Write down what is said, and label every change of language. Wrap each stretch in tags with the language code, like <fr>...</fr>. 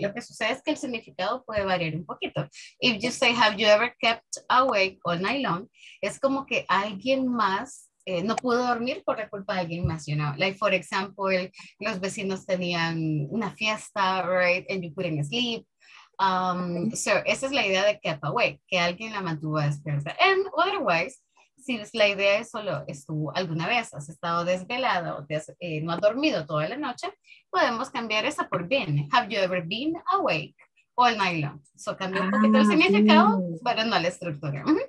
<es>Lo que sucede es que el significado puede variar un poquito.</es> <en>If you say, have you ever kept awake all night long?</en> <es>Es como que alguien más no pudo dormir por la culpa de alguien más,</es> <en>you know? Like, for example,</en> <es>los vecinos tenían una fiesta,</es> <en>right? And you couldn't sleep.</en> <es>So, esa es la idea de kept awake, que alguien la mantuvo despierta.</es> <en>And otherwise,</en> <es>si la idea es solo estuvo alguna vez, has estado desvelado, no has dormido toda la noche, podemos cambiar esa por been.</es> <en>Have you ever been awake all night long?</en> <es>So cambia un poquito el significado, pero no la estructura.</es>